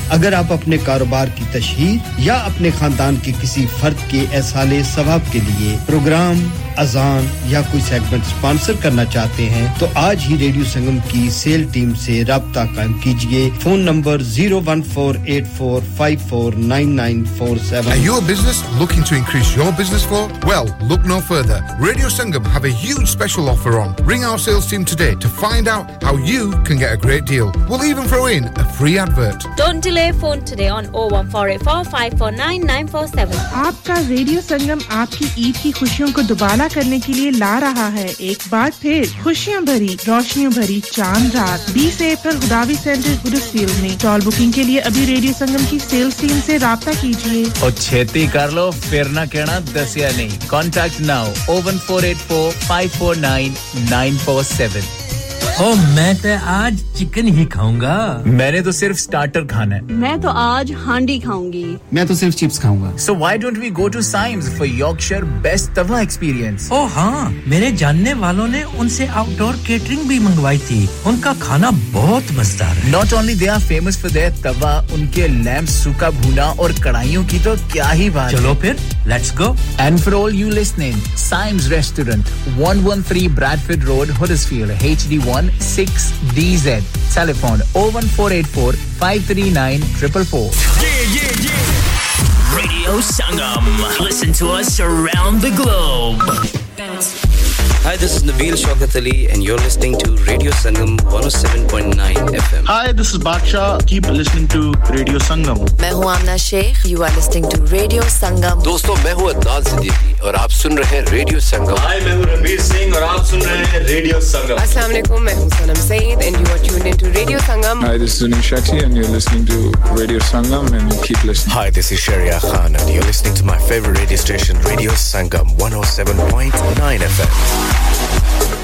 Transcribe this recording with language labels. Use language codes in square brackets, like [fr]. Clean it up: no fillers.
[hi] अगर आप अपने कारोबार की तशहीर या अपने खानदान के किसी फर्द के एहसाले सवाब के लिए प्रोग्राम, अजान या कोई सेगमेंट स्पॉन्सर करना चाहते हैं तो आज ही रेडियो संगम की सेल टीम से राब्ता कायम कीजिए. Phone number 01484549947. [en] Are you a business looking to increase your business flow? Well, look no further. Radio Sangam have a huge special offer on. Ring our sales team today to find out how you can get a great deal. We'll even throw in a free advert. Don't delay, phone today on 01484549947. [hi] आपका radio संगम आपकी ईद की खुशियों को दोबारा करने के लिए ला रहा है. एक बार फिर खुशियां भरी, रोशनियां भरी चांद रात 20 अप्रैल गुदावी सेंटर गुरुसील में. टॉल बुकिंग के लिए अभी रेडियो संगम की सेल्स टीम से राबता कीजिए. और छेती कर लो फिर ना कहना दसिया नहीं. Contact now 01484549947. ओ, मैं तो आज चिकन ही खाऊंगा. मैंने तो सिर्फ स्टार्टर खाना है. मैं तो आज हांडी खाऊंगी. मैं तो सिर्फ चिप्स खाऊंगा. [en] So why don't we go to Symes for Yorkshire best tawa experience? [hi] ओ हाँ, मेरे जानने वालों ने उनसे आउटडोर केटरिंग भी मंगवाई थी. उनका खाना बहुत मजेदार है. [en] Not only they are famous for their tawa, [hi] उनके लैम्प सूखा भूना और कढ़ाइयों की तो क्या ही बात. चलो फिर, [en] let's go. And for all you listening, Symes Restaurant, 113 Bradford Road, Huddersfield, HD1 6DZ. Telephone 01484 539 444. Yeah. Radio Sangam. Listen to us around the globe. Hi, this is Nabeel Shaukat Ali, and you're listening to Radio Sangam 107.9 FM. Hi, this is Badshah. Keep listening to Radio Sangam. [hi] Main hu Amna Sheikh. [en] You are listening to Radio Sangam. [hi] Dosto, main hu Adnan Siddiqui. और आप सुन रहे हैं radio संगम. हाय, मैं हूं रणवीर सिंह और आप सुन रहे हैं रेडियो संगम. [en] अस्सलाम वालेकुम, मैं हूं Sanam Saeed and you are tuned into radio Sangam. Hi, this is Suniel Shetty and you are listening to radio Sangam and keep listening. Hi, this is Shariya Khan and you are listening to my favourite radio station radio Sangam 107.9 FM.